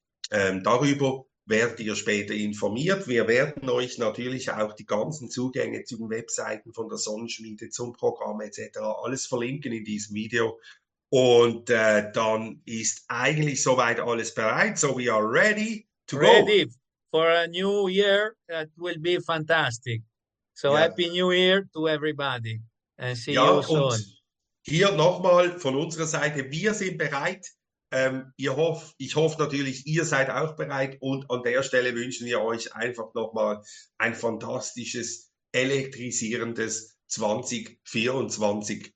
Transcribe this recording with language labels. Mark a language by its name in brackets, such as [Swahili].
[German] Darüber werdet ihr später informiert. Wir werden euch natürlich auch die ganzen Zugänge zu den Webseiten von der Sonnenschmiede zum Programm etc. alles verlinken in diesem Video. Und dann ist eigentlich soweit alles bereit. [English] So we are ready to go. Ready for a new year that will be fantastic. So [German] Ja. [English] happy new year to everybody and see you [German] Ja, [English] soon. [German] und hier nochmal von unserer Seite, wir sind bereit. Ich hoffe natürlich, ihr seid auch bereit. Und an der Stelle wünschen wir euch einfach nochmal ein fantastisches, elektrisierendes 2024.